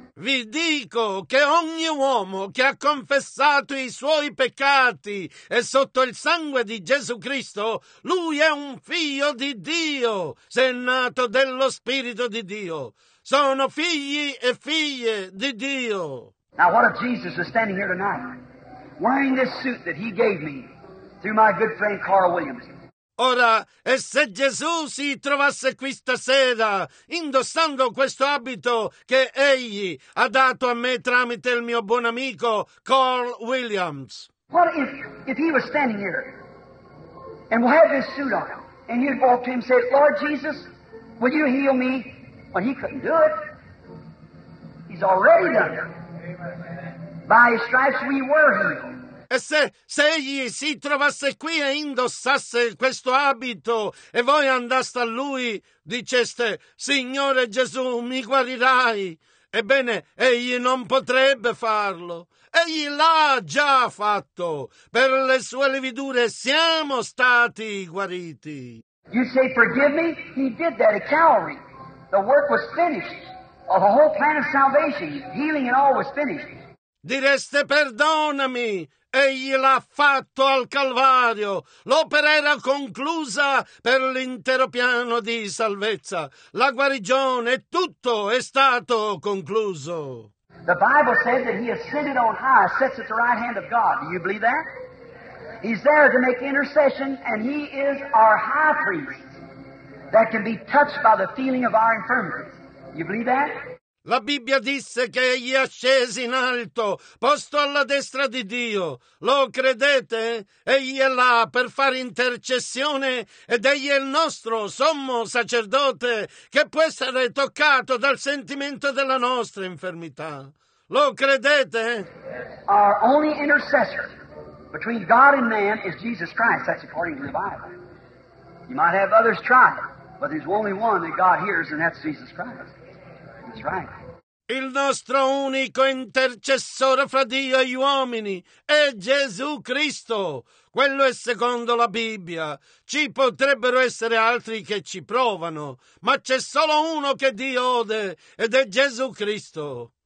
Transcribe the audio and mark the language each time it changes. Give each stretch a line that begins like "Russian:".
Italian: Vi dico che ogni uomo che ha confessato i suoi peccati e sotto il sangue di Gesù Cristo, lui è un figlio di Dio, se è nato dello Spirito di Dio. Sono figli e figlie di Dio.
English: Now, what if Jesus is standing here tonight? Wearing this suit that he gave me through my good friend Carl Williams.
Italian: Ora, e se Gesù si trovasse qui stasera indossando questo abito che egli ha dato a me tramite il mio buon amico Carl Williams.
English: What if he was standing here and we had this suit on and he'd walk to him and say, Lord Jesus, will you heal me? Well, he couldn't do it. He's already done it. By his stripes we were healed.
Italian: E se egli si trovasse qui e indossasse questo abito e voi andaste a lui, diceste, Signore Gesù, mi guarirai. Ebbene, egli non potrebbe farlo. Egli l'ha già fatto. Per le sue lividure siamo stati guariti.
English: You say, forgive me? He did that at Calvary. The work was finished. The whole plan of salvation, healing and all was finished.
Italian: Direste, perdonami, egli l'ha fatto al Calvario. L'opera era conclusa per l'intero piano di salvezza. La guarigione, tutto è stato concluso.
English: The Bible said that he ascended on high, sits at the right hand of God. Do you believe that? He's there to make intercession, and he is our high priest that can be touched by the feeling of our infirmities. You believe that?
Italian: La Bibbia disse che egli è sceso in alto, posto alla destra di Dio. Lo credete? Egli è là per fare intercessione ed egli è il nostro sommo sacerdote che può essere toccato dal sentimento della nostra infermità. Lo credete?
English: Our only intercessor between God and man is Jesus Christ. That's according to the Bible. You might have others try, but there's only one that God hears, and that's Jesus Christ. That's right.
Italian: Il nostro unico intercessore fra Dio e gli uomini è Gesù Cristo. Quello è secondo la Bibbia. Ci potrebbero essere altri che ci provano, ma c'è solo uno che Dio ode, ed è Gesù Cristo.